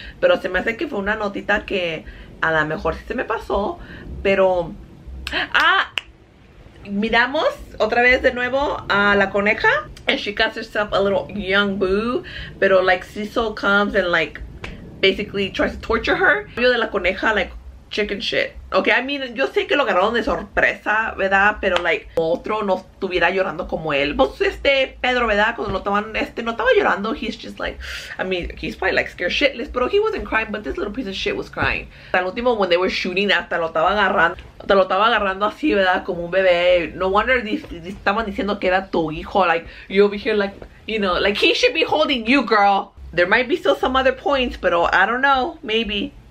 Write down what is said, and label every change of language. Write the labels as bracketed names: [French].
[Spanish] Pero se me hace que fue una notita que a lo mejor sí se me pasó. Pero, miramos otra vez de nuevo a la coneja. [English] And she got herself a little young boo. Pero, like, Cecil comes and, like, basically tries to torture her. [Spanish] Yo de la coneja, like, [English] chicken shit. Okay, I mean, [Spanish] yo sé que lo agarraron de sorpresa, ¿verdad? Pero, like, otro no estuviera llorando como él. Pues, este Pedro, ¿verdad? Cuando lo estaban, este, no estaba llorando. [English] He's just like, I mean, he's probably, like, scared shitless. Pero he wasn't crying, but this little piece of shit was crying. [Spanish] Hasta el último, [English] when they were shooting, [Spanish] hasta lo estaba agarrando así, ¿verdad? Como un bebé. [English] No wonder [Spanish] estaban diciendo que era tu hijo. [English] Like, you'll be here, like, you know, like, he should be holding you, girl. There might be still some other points, pero I don't know, maybe.